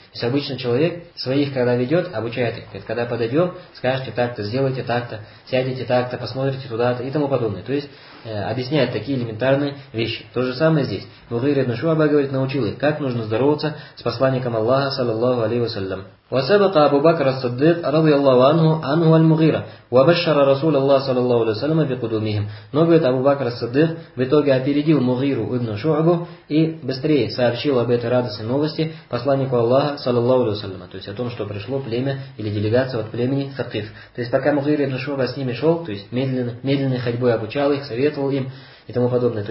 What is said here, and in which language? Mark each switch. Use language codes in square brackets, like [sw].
[ru] То есть обычно человек своих, когда ведет, обучает их. Говорит, когда подойдем, скажете так-то, сделайте так-то, сядете так-то, посмотрите туда-то и тому подобное. То есть объясняет такие элементарные вещи. То же самое здесь. Мугира ибн Шуаба говорит, научил их, как нужно здороваться с посланником Аллаха, саллаллаху алейхи ва саллям. [ar] وسبق أبو بكر الصديق رضي الله عنه عنه المغيرة وبشر رسول الله صلى الله عليه وسلم بقدومهم. [ru] Но говорит, Абу Бакр ас-Сиддик в итоге опередил Мугиру ибн Шуабу и быстрее сообщил об этой радостной новости посланнику Аллаха саллаллаху алейхи ва саллям, то есть о том, что пришло племя или делегация от племени Сакиф. То есть пока Мугира ибн Шуаба с ними шел, то есть медленной ходьбой обучал их, советовал им и тому подобное.